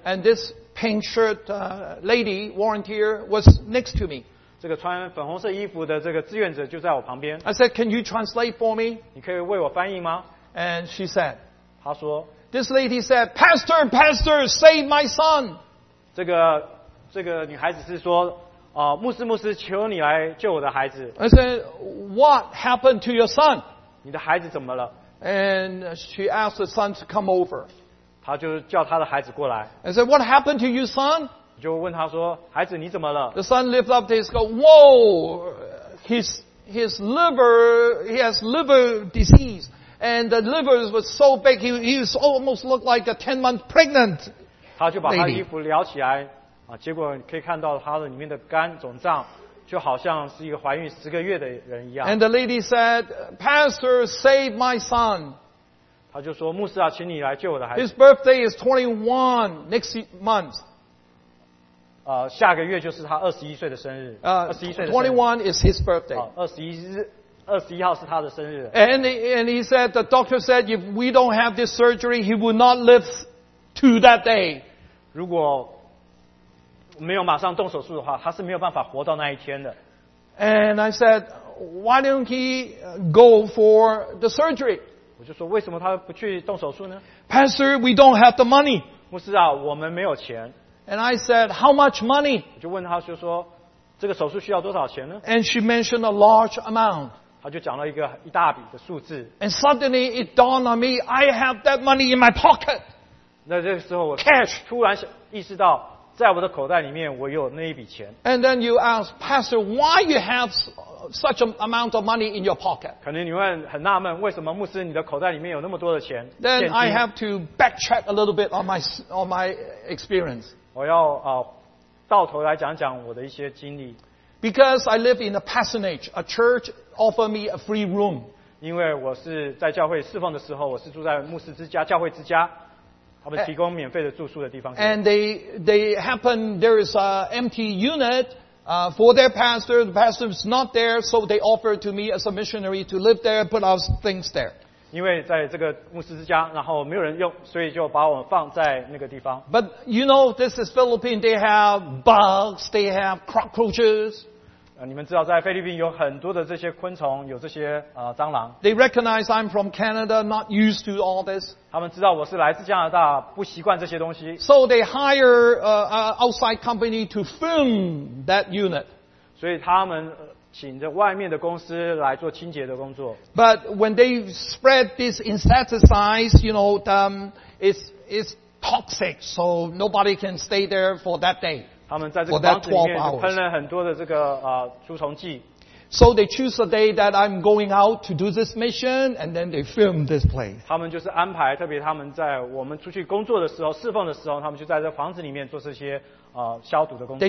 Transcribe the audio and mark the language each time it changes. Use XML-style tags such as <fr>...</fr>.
<en>And this pink shirt lady volunteer was next to me.</en> <zh>这个穿粉红色衣服的这个志愿者就在我旁边。</zh> <en>I said, can you translate for me?</en> <zh>你可以为我翻译吗？</zh> <en>And she said,</en> <zh>她说，</zh> <en>This lady said, Pastor, save my son.</en> <zh>这个女孩子是说，牧师，牧师，求你来救我的孩子。</zh> <en>I said, what happened to your son?</en> <zh>你的孩子怎么了？</zh> <en>And she asked the son to come over.</en> <zh>她就叫她的孩子过来。</zh> <en>I said, what happened to you, son?</en> <zh>就问他说：“孩子，你怎么了？”</zh> <en>The son lifted up his go. Whoa, his liver, he has liver disease, and the liver was so big, he almost looked like a 10-month pregnant.</en> <zh>他就把他衣服撩起来，啊，结果可以看到他的里面的肝肿胀，就好像是一个怀孕十个月的人一样。</zh> <en>And the lady said, "Pastor, save my son."</en> <zh>他就说：“牧师啊，请你来救我的孩子。”</zh> <en>His birthday is 21 next month.</en> <zh>下个月就是他二十一岁的生日。</zh> <en>21 is his birthday.</en> <zh>21号是他的生日。</zh> <en>And he said, the doctor said, if we don't have this surgery, he will not live to that day.</en> <zh>如果没有马上动手术的话，他是没有办法活到那一天的。</zh> <en>And I said, why don't he go for the surgery?</en> <zh>我就说，为什么他不去动手术呢？</zh> <en>Pastor, we don't have the money.</en> <zh>牧师啊，我们没有钱。</zh> <en>And I said, how much money?</en> <zh>我就问他就说，这个手术需要多少钱呢？</zh> <en>And she mentioned a large amount.</en> <zh>他就讲了一大笔的数字。</zh> <en>And suddenly it dawned on me, I have that money in my pocket.</en> <zh>那这个时候我突然意识到，在我的口袋里面我有那一笔钱。</zh> <en>And then you ask, Pastor, why you have such an amount of money in your pocket?</en> <zh>可能你会很纳闷，为什么牧师你的口袋里面有那么多的钱？</zh> <en>Then I have to backtrack a little bit on my experience.</en> <zh>我要到头来讲讲我的一些经历。</zh> <en>Because I live in a parsonage, a church offered me a free room.</en> <zh>因为我是在教会侍奉的时候，我是住在牧师之家、教会之家，他们提供免费的住宿的地方。</zh> <en>And they happen there is an empty unit for their pastor. The pastor is not there, so they offered to me as a missionary to live there, put our things there.</en> <zh>因为在这个牧师之家，然后没有人用，所以就把我们放在那个地方。</zh> <en>But you know, this is Philippines. They have bugs. They have cockroaches.</en> <zh>你们知道，在菲律宾有很多的这些昆虫，有这些蟑螂。</zh> <en>They recognize I'm from Canada, not used to all this.</en> <zh>他们知道我是来自加拿大，不习惯这些东西。</zh> <en>So they hire an outside company to film that unit.</en> <zh>所以他们。请着外面的公司来做清洁的工作。</zh> <en>But when they spread this insecticide, you know, it's toxic, so nobody can stay there for that day.</en> <zh>他们在这个房子里面喷了很多的这个除虫剂。</zh> <en>So they choose a day that I'm going out to do this mission, and then they film this place.</en> <zh>他们就是安排，特别他们在我们出去工作的时候、侍奉的时候，他们就在这房子里面做这些消毒的工作。</zh>